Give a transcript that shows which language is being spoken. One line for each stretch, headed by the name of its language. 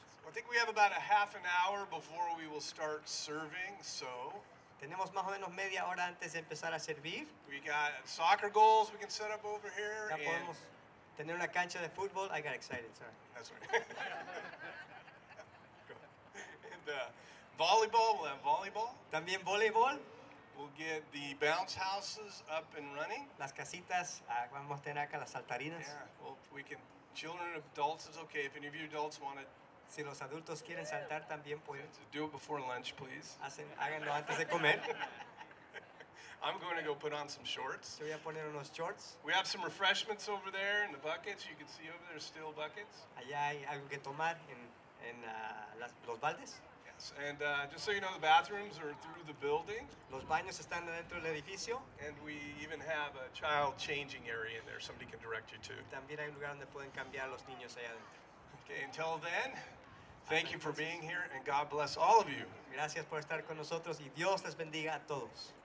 English: I think we have about a half an hour before we will start serving, so...
Spanish: Tenemos más o menos media hora antes de empezar a servir.
English: We got soccer goals we can set up over here.
Spanish: Ya podemos tener una cancha de fútbol.
English: I got excited, sorry. That's right. And volleyball, we'll have volleyball.
Spanish: También voleibol.
English: We'll get the bounce houses up and running.
Spanish: Las casitas, vamos a tener acá las saltarinas.
English: Yeah, well, we can, children and adults, it's okay. If any of you adults want to...
Spanish: Si los adultos quieren saltar, también pueden.
English: Do it before lunch, please.
Spanish: Háganlo antes de comer.
English: I'm going to go put on some shorts.
Spanish: Voy a poner unos shorts.
English: We have some refreshments over there in the buckets. You can see over there still buckets.
Spanish: Allá hay algo que tomar en los baldes.
English: Yes, and just so you know, the bathrooms are through the building.
Spanish: Los baños están dentro del edificio.
English: And we even have a child changing area in there somebody can direct you to.
Spanish: También hay un lugar donde pueden cambiar los niños allá adentro.
English: Okay, until then, thank you for being here, and God bless all of you.
Spanish: Gracias por estar con nosotros, y Dios les bendiga a todos.